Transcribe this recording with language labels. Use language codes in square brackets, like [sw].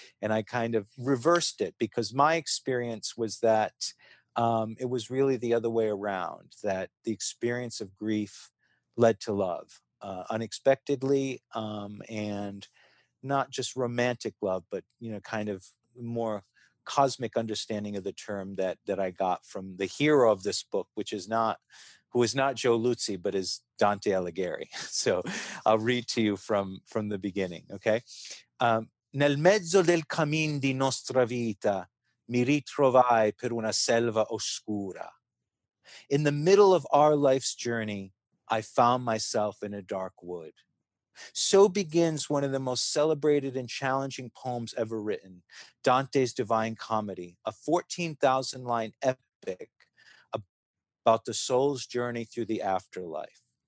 [en] And I kind of reversed it, because my experience was that it was really the other way around, that the experience of grief led to love unexpectedly, and not just romantic love, but, you know, kind of more cosmic understanding of the term that I got from the hero of this book, who is not Joe Luzzi, but is Dante Alighieri. So I'll read to you from the beginning. Okay. [it] Nel mezzo del cammin di nostra vita mi ritrovai per una selva oscura. [en] In the middle of our life's journey, I found myself in a dark wood. So begins one of the most celebrated and challenging poems ever written, Dante's Divine Comedy, a 14,000-line epic about the soul's journey through the afterlife.